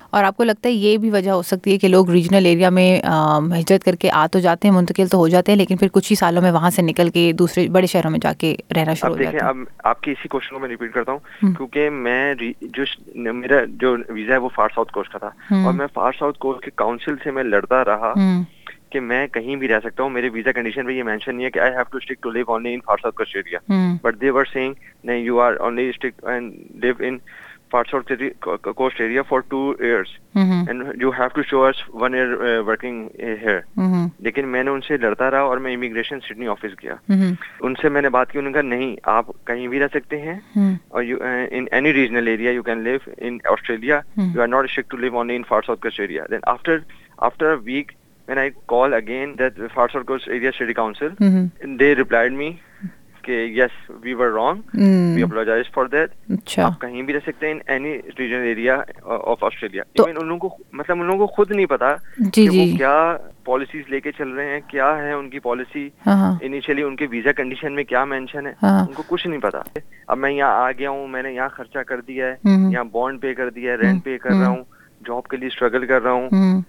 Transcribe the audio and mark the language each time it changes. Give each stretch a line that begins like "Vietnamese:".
Urdu: اور آپ کو لگتا ہے یہ بھی وجہ ہو سکتی ہے کہ لوگ ریجنل ایریا میں ہجرت کر کے آ تو جاتے ہیں, منتقل تو ہو جاتے ہیں, لیکن پھر کچھ ہی سالوں میں وہاں سے نکل کے دوسرے بڑے شہروں میں جا کے رہنا شروع ہو جاتے ہیں؟ اب آپ کے اسی کوشچن کو میں ریپیٹ کرتا ہوں, کیونکہ میں جو میرا جو ویزا ہے وہ فار ساؤتھ کوسٹ کا تھا اور میں فار ساؤتھ کوسٹ کے کاؤنسل سے میں لڑتا رہا کہ میں کہیں بھی رہ سکتا ہوں. میرے ویزا کنڈیشن میں یہ مینشن نہیں ہے کہ
English: I have to stick to live only in Far South Australia. But they were saying, no, you are only stick and live in Far South Coast area for 2 years. And you have to show us 1 year working here.
Urdu: لیکن میں نے ان سے لڑتا رہا اور میں immigration Sydney office گیا. ان سے میں نے بات کی, انہوں نے کہا نہیں, آپ کہیں بھی رہ سکتے ہیں اور
English: in any regional area you can live in Australia. You are not strict to live only in Far South Coast area. Then after a week, when I call again that the Far South Coast Area City Council, they replied me
Urdu: ke
English: yes, we were wrong. We apologize for that.
Urdu: آپ کہیں بھی رہ سکتے ہیں
English: any regional area of Australia.
Urdu: Even ان لوگوں کو, مطلب ان لوگوں کو خود نہیں پتا کہ وہ کیا پالیسیز لے کے چل رہے ہیں, کیا ہے ان کی پالیسی انیشیلی, ان کے ویزا کنڈیشن میں کیا مینشن ہے, ان کو کچھ نہیں پتا. اب میں یہاں آ گیا ہوں, میں نے یہاں خرچہ کر دیا ہے, یہاں بانڈ پے کر دیا ہے, رینٹ پے کر رہا ہوں, جاب کے لیے اسٹرگل کر رہا ہوں.